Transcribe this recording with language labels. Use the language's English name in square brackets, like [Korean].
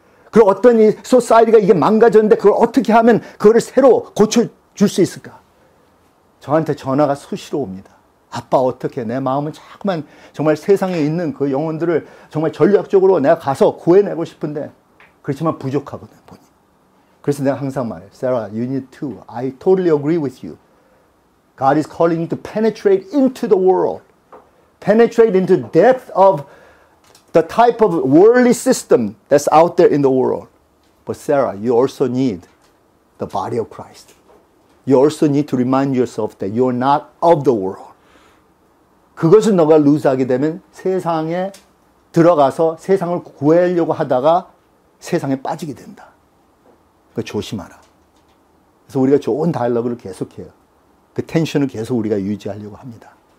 [Korean] 그리고 어떤 이 소사이리가 이게 망가졌는데 그걸 어떻게 하면 그거를 새로 고쳐줄 수 있을까? 저한테 전화가 수시로 옵니다. 아빠 어떻게 내 마음은 자꾸만 정말 세상에 있는 그 영혼들을 정말 전략적으로 내가 가서 구해내고 싶은데 그렇지만 부족하거든 보니. 그래서 내가 항상 말해 [English] Sarah, you need to. I totally agree with you. God is calling you to penetrate into the world. Penetrate into depth of the type of worldly system that's out there in the world. But Sarah, you also need the body of Christ. You also need to remind yourself that you're not of the world. [Korean] 그것을 너가 lose하게 되면 세상에 들어가서 세상을 구하려고 하다가 세상에 빠지게 된다. 그거 조심하라. 그래서 우리가 좋은 다이얼로그를 계속해요. 그 텐션을 계속 우리가 유지하려고 합니다.